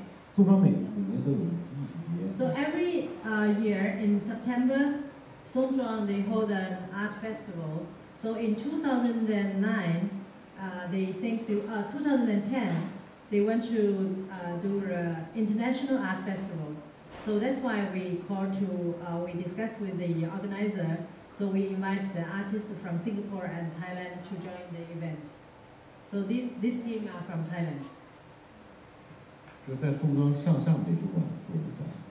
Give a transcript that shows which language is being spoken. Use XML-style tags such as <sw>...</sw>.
<zh>这个艺术家来做，宋庄每年都有一次艺术节。</zh> <en>So every year in September. Songjiang, they hold an art festival. So in 2009, they think they, 2010, they went to do an international art festival. So that's why we call to, we discuss with the organizer. So we invite the artists from Singapore and Thailand to join the event. So this team are from Thailand.</en> <zh>就在宋庄上上美术馆做的展。</zh>